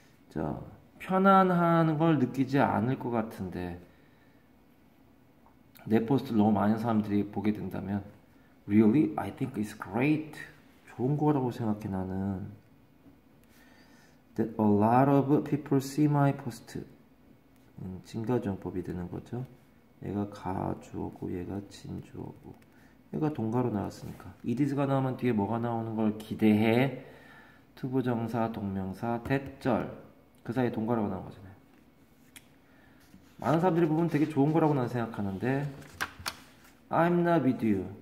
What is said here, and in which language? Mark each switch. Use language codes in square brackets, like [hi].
[ko] 자, 편안한 걸 느끼지 않을 것 같은데. 내 포스트를 너무 많은 사람들이 보게 된다면. [en] Really? I think it's great. [ko] 좋은 거라고 생각해, 나는. [en] That a lot of people see my post. [ko] 진가정법이 되는 거죠. 얘가 가주어고, 얘가 진주어고. 얘가 동가로 나왔으니까. It is가 나오면 뒤에 뭐가 나오는 걸 기대해. 투부정사, 동명사, 대절. 그 사이에 동가라고 나온 거잖아요. 많은 사람들이 보면 되게 좋은 거라고 나는 생각하는데, [en] I'm not with you.